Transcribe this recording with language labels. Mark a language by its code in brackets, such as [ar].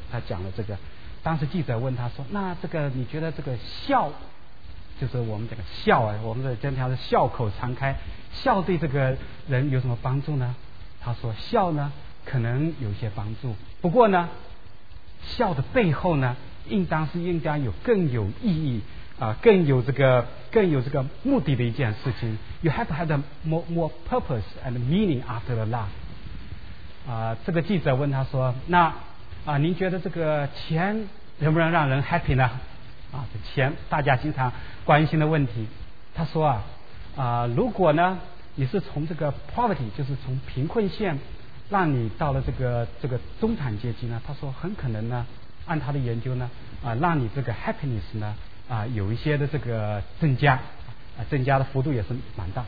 [zh] 他讲了这个，当时记者问他说，那这个你觉得这个笑，就是我们这个笑我们的今天是笑口常开，笑对这个人有什么帮助呢？他说笑呢可能有些帮助，不过呢笑的背后呢应当有更有意义更有这个目的的一件事情。 [en] You have to have more purpose and meaning after the laugh。 [zh] 这个记者问他说，那您觉得这个钱能不能让人 happy 呢？这钱大家经常关心的问题。他说如果呢你是从这个 poverty， 就是从贫困线让你到了这个中产阶级呢，他说很可能呢按他的研究呢让你这个 happiness 呢有一些的这个增加的幅度也是蛮大。